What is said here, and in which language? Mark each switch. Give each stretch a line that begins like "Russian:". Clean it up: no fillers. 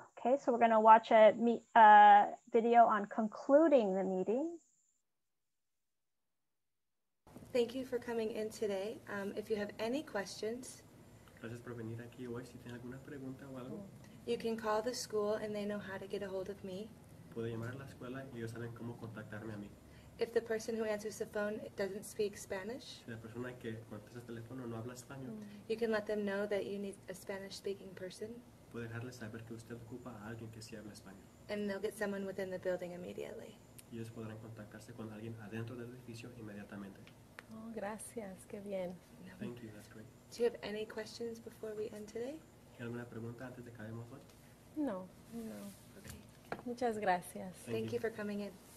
English: Okay, so we're gonna watch a video on concluding the meeting. Thank you for coming in today. If you have any questions,
Spanish: gracias por venir aquí hoy. Si tiene alguna pregunta o algo,
English: you can call the school and they know how to get a hold of me.
Spanish: Puedo llamar a la escuela y ellos saben cómo contactarme a mí.
English: If the person who answers the phone doesn't speak Spanish,
Spanish: la persona que contesta el teléfono no habla español,
English: you can let them know that you need a Spanish-speaking person.
Spanish: Puede dejarles saber que usted ocupa a alguien que sí habla español.
English: And they'll get someone within the building immediately.
Spanish: Y ellos podrán contactarse con alguien adentro del edificio inmediatamente. Oh, gracias. Qué bien.
English: Thank you. That's great. Do you have any questions before we end today?
Spanish: ¿Alguna pregunta antes de que acabemos hoy? No. No.
English: Okay.
Spanish: Muchas gracias.
English: Thank you for coming in.